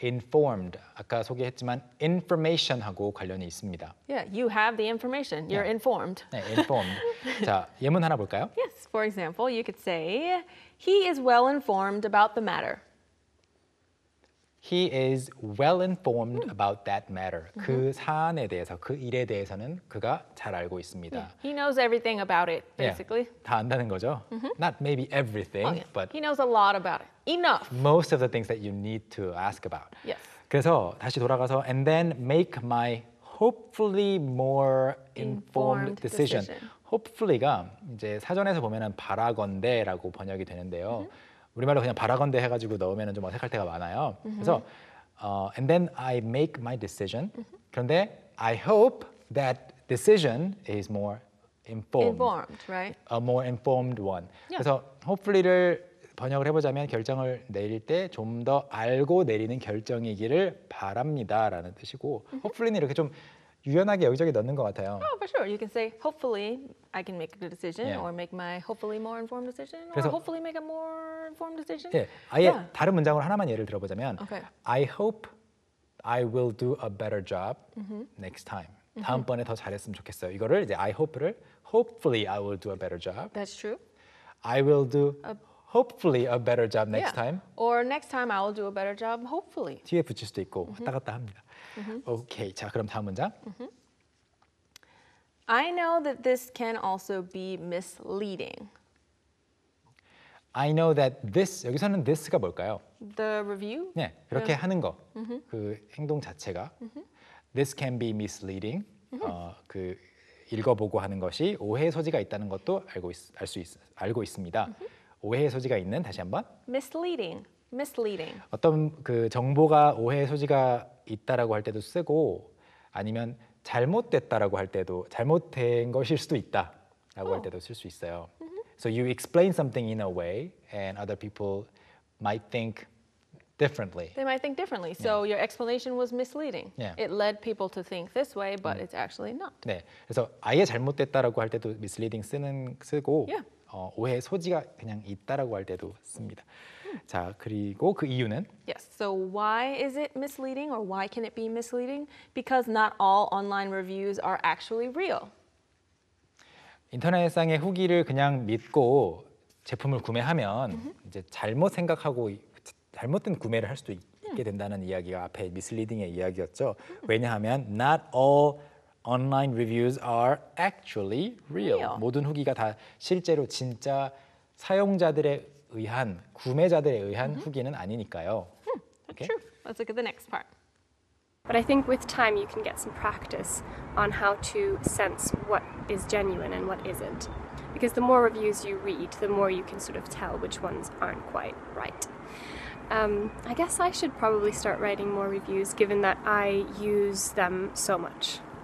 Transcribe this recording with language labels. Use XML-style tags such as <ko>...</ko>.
<ko>Informed. 아까 소개했지만 information하고 관련이 있습니다.</ko> <en>Yeah, you have the information. You're yeah. informed.</en> <ko>네, informed. 자, 예문 하나 볼까요?</ko> <en>Yes, for example, you could say he is well informed about the matter. He is well informed about that matter. Mm-hmm.</en> <ko>그 사안에 대해서, 그 일에 대해서는 그가 잘 알고 있습니다.</ko> <en>Yeah. He knows everything about it, basically.</en> <ko>Yeah. 다 안다는 거죠? Mm-hmm.</ko> <en>Not maybe everything, oh, yeah. but... He knows a lot about it. Enough. Most of the things that you need to ask about. Yes.</en> <ko>그래서 다시 돌아가서</ko> <en>and then make my hopefully more informed decision.</en> <ko>Hopefully가 이제 사전에서 보면은 바라건대라고 번역이 되는데요. Mm-hmm. 우리말로 그냥 바라건대 해가지고 넣으면 좀 어색할 때가 많아요. Mm-hmm. 그래서</ko> <en>and then I make my decision. Mm-hmm.</en> <ko>그런데</ko> <en>I hope that decision is more informed. Informed, right? A more informed one. Yeah.</en> <ko>그래서 hopefully를 번역을 해보자면 결정을 내릴 때 좀 더 알고 내리는 결정이기를 바랍니다. 라는 뜻이고 mm-hmm. hopefully는 이렇게 좀 유연하게 여기저기 넣는 것 같아요.</ko> <en>Oh, for sure. You can say hopefully I can make a good decision yeah. or make my hopefully more informed decision or</en> <ko>그래서,</ko> <en>hopefully make a more informed decision.</en> <ko>예, 아예</ko> <en>yeah.</en> <ko>다른 문장으로 하나만 예를 들어보자면</ko> <en>okay. I hope I will do a better job mm-hmm. next time. Mm-hmm.</en> <ko>다음번에 더 잘했으면 좋겠어요. 이거를 이제</ko> <en>I hope를 hopefully I will do a better job. That's true. I will do hopefully a better job next yeah. time. Or next time I will do a better job hopefully.</en> <ko>뒤에 붙일 수도 있고 왔다 갔다 합니다. Mm-hmm. Okay, 자, 그럼 다음 문장.</ko> <en>I know that this can also be misleading. I know that this,</en> <ko>여기서는</ko> <en>this가</en> <ko>뭘까요?</ko> <en>The review?</en> <ko>네, 그렇게 yeah. 하는 거, mm-hmm. 그 행동 자체가. Mm-hmm.</ko> <en>This can be misleading. Mm-hmm.</en> <ko>그 읽어보고 하는 것이 오해의 소지가 있다는 것도 알고 있습니다. Mm-hmm. 오해의 소지가 있는, 다시 한 번.</ko> <en>Misleading, misleading.</en> <ko>어떤 그 정보가 오해의 소지가 있다라고 할 때도 쓰고 아니면 잘못됐다라고 할 때도 잘못된 것일 수도 있다라고 oh. 할 때도 쓸 수 있어요.</ko> <en>So you explain something in a way, and other people might think differently. They might think differently. So yeah. your explanation was misleading. Yeah. It led people to think this way, but it's actually not.</en> <ko>네, 그래서 아예 잘못됐다라고 할 때도 misleading 쓰고</ko> <en>yeah.</en> <ko>오해의 소지가 그냥 있다라고 할 때도 씁니다. 자, 그리고 그 이유는?</ko> <en>Yes, so why is it misleading or why can it be misleading? Because not all online reviews are actually real.</en> <ko>인터넷상의 후기를 그냥 믿고 제품을 구매하면 mm-hmm. 이제 잘못 생각하고 잘못된 구매를 할 수도 있게 된다는 mm. 이야기가 앞에 미슬리딩의 이야기였죠. Mm. 왜냐하면</ko> <en>not all online reviews are actually real.</en> <ko>모든 후기가 다 실제로 진짜 사용자들에 의한 구매자들에 의한 mm-hmm. 후기는 아니니까요.</ko> <en>That's okay? true. Let's look at the next part. But I think with time you can get some practice on how to sense what is genuine and what isn't. Because the more reviews you read, the more you can sort of tell which ones aren't quite right. I guess I should probably start writing more reviews given that I use them so much.</en>